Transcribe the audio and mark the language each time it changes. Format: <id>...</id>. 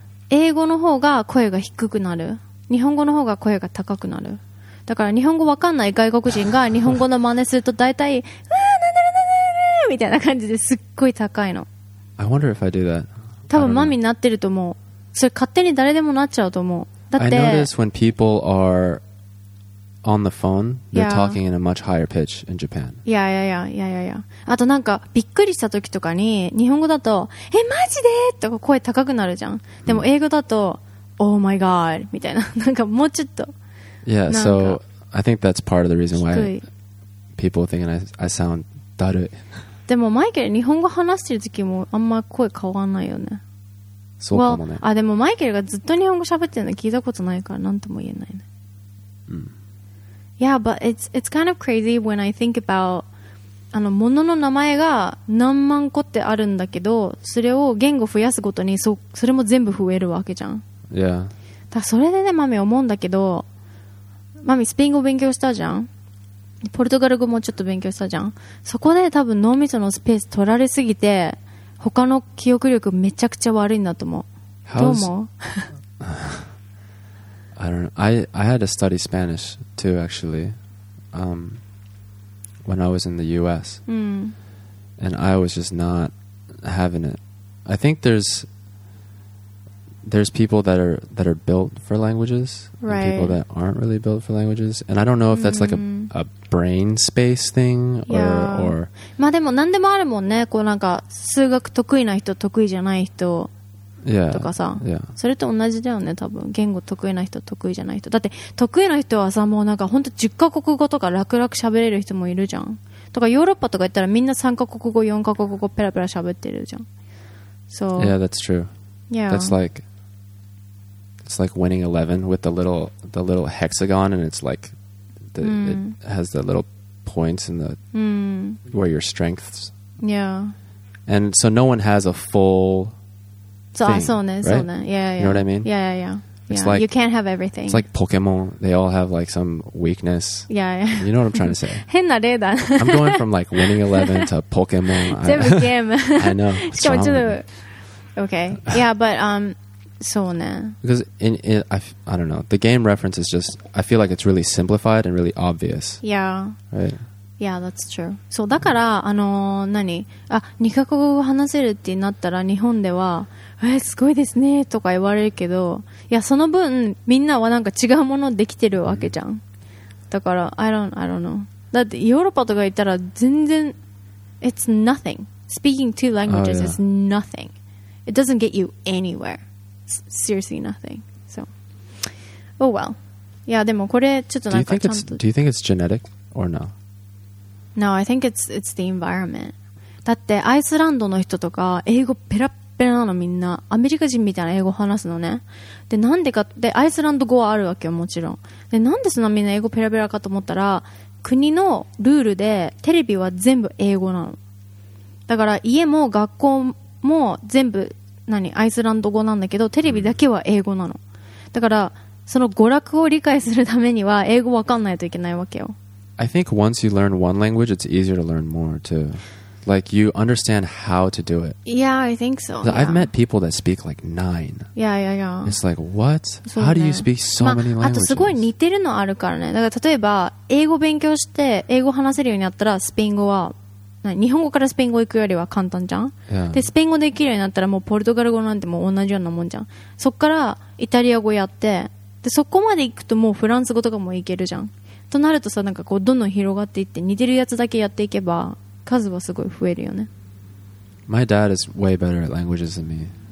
<ja>英語の方が声が低くなる、日本語の方が声が高くなる。だから日本語わかんない外国人が日本語の真似するとだいたいうわーなんだなんだなんだみたいな感じですっごい高いの。</ja> <en>I wonder if I do that.</en> <ja>多分マミになってると思う。それ勝手に誰でもなっちゃうと思う。だって</ja> <en>I notice when people areOn the phone, they're talking in a much higher pitch in Japan. Yeah.</en> <ja>あとなんかびっくりした時とかに日本語だとえマジでとか声高くなるじゃん。でも英語だと</ja> <en>Oh my god</en> <ja>みたいななんかもうちょっと。</ja> <en>Yeah, so I think that's part of the reason why people think I sound だるい。</en> <ja>でもマイケル日本語話してる時もあんま声変わんないよね。そうかもね。あでもマイケルがずっと日本語喋ってるの聞いたことないからなんとも言えないね。</ja> <en>Yeah, but it's kind of crazy when I think about</en> <ja>あの物の名前が何万個ってあるんだけど、それを言語増やすごとに それも全部増えるわけじゃん。</ja> <en>Yeah.</en> <ja>だそれでね、マミ思うんだけど、マミスペイン語勉強したじゃん。ポルトガル語もちょっと勉強したじゃん。そこで多分脳みそのスペース取られすぎて他の記憶力めちゃくちゃ悪いんだと思う。どう思う？</ja> <en>I don't know. I had to study Spanish too, actually, when I was in the U.S. Mm. And I was just not having it. I think there's people that are built for languages, right. And people that aren't really built for languages. And I don't know if that's like a brain space thing or yeah. Or.</en> <ja>まあでも何でもあるもんね。こうなんか数学得意な人得意じゃない人。</ja> <en>Yeah,</en> <ja>とかさ、</ja> <en>yeah.</en> <ja>それと同じだよね多分言語得意な人得意じゃない人だって得意な人はさもうなんか本当10カ国語とか楽々喋れる人もいるじゃんとかヨーロッパとか行ったらみんな3カ国語4カ国語ペラペラ喋ってるじゃん So</ja> <en>Yeah that's true Yeah That's like It's like winning 11 with the little hexagon and it's like the, It has the little points in the Where your strengths Yeah And so no one has a fullThing, so, right? Yeah, yeah. You know what I mean? Yeah, yeah, yeah. It's like, you can't have everything. It's like Pokemon. They all have like some weakness. Yeah, yeah. You know what I'm trying to say?</en> <ja>変な例だ。</ja> <en>I'm going from like winning 11 to Pokemon.</en> <ja>全部ゲーム。</ja> <en>I know.</en> <ja>しかもちょっと、</ja> <en>okay. Yeah, but, so, ne. Because, I don't know. The game reference is just, I feel like it's really simplified and really obvious. Yeah. Right? Yeah, that's true.</en> <ja>そうだから、何あ、2カ国語話せるってなったら日本では、すごいですねとか言われるけど、いや、その分みんなはなんか違うものできてるわけじゃん。だから、</ja> <en>I don't know.</en> <ja>だってヨーロッパとか行ったら全然、</ja> <en>it's nothing. Speaking two languages、 oh, yeah. is nothing. It doesn't get you anywhere.、It's、seriously nothing. So, oh well.</en> <ja>いや、でもこれちょっとなんかちゃんと。</ja> <en>Do you think it's genetic or no? No, I think it's the environment.</en> <ja>だってアイスランドの人とか英語ペラペラなのみんなアメリカ人みたいな英語話すのね。でなんでかってアイスランド語はあるわけよもちろん。でなんでそんなみんな英語ペラペラかと思ったら国のルールでテレビは全部英語なの。だから家も学校も全部何アイスランド語なんだけどテレビだけは英語なの。だからその娯楽を理解するためには英語わかんないといけないわけよ。</ja> <en>I think once you learn one language, it's easier to learn more, too. Like, you understand how to do it. Yeah, I think so. Yeah. I've met people that speak like 9. Yeah, yeah, yeah. It's like, what? How do you speak so many languages?</en> <ja>あとすごい似てるのあるからね。だから例えば、英語勉強して、英語話せるようになったら、スペイン語は、日本語からスペイン語行くよりは簡単じゃん。</ja> <en>Yeah.</en> <ja>で、スペイン語できるようになったら、もうポルトガル語なんてもう同じようなもんじゃん。そっから、イタリア語やって、で、そこまで行くともうフランス語とかも行けるじゃん。となるとさなんかこうどんどん広がっていって似てるやつだけやっていけば数はすごい増えるよね。</ja> <en>My dad is way better at languages than me.</en>